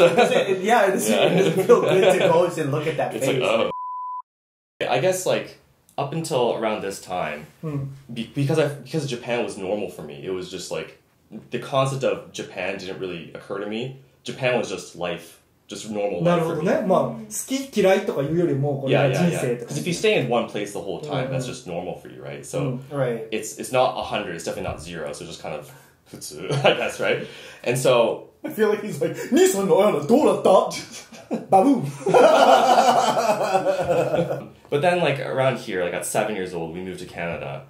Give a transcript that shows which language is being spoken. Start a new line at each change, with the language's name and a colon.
English: it feel good to go and look at that it's face. It's like, oh. I guess like, up until around this time, because Japan was normal for me, it was just like, the concept of Japan didn't really occur to me. Japan was just life, just normal life for me.
Japanese: まあ、好き嫌いとかいうよりも、これは人生とか。
English: Yeah, yeah, yeah. Because if you stay in one place the whole time, that's just normal for you, right? So, it's not 100, it's definitely not 0, so just kind of, futsu, I guess, right? And so, I feel like he's like, Nissan no yana,
Japanese: どうだった?
English: Baboom! But then, like, around here, like, at 7 years old, we moved to Canada.